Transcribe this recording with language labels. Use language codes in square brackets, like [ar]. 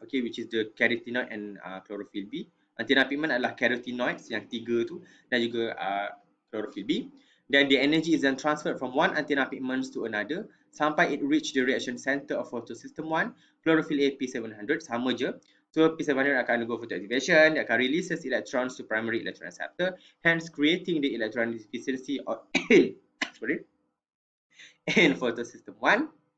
[en] Okay, which is the carotenoid and chlorophyll B. [ms] Antenna pigment adalah carotenoids yang tiga tu dan juga chlorophyll B. [en] Then the energy is then transferred from one antenna pigments to another sampai it reach the reaction center of photosystem 1. Chlorophyll A P700 [ms] sama je. [en] So P700 akan undergo photoactivation, [ms] dia akan [en] release electrons to primary electron acceptor, hence creating the electron deficiency of in photosystem 1.